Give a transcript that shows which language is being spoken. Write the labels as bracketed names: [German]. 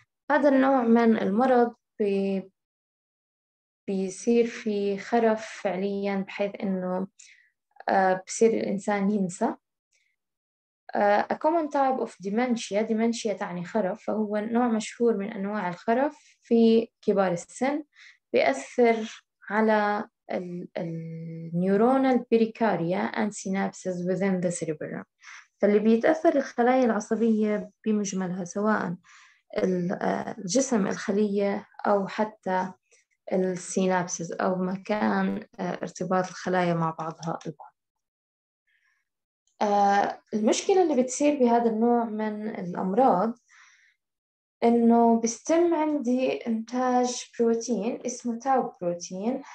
[Arabic] هذا النوع من المرض بيصير في خرف فعليا، بحيث إنه بصير الإنسان ينسى. [English] A common type of dementia. [Arabic] Dementia تعني خرف، فهو نوع مشهور من أنواع الخرف في كبار السن. بيأثر على ال [English] neuronal pericardia and synapses within the cerebrum. [Arabic] فاللي بيتأثر الخلايا العصبية بمجملها، سواء الجسم الخلية أو حتى السينابسز أو مكان ارتباط الخلايا مع بعضها البعض. المشكلة اللي بتصير بهذا النوع من الأمراض إنه بيتم عندي إنتاج بروتين اسمه تاو بروتين.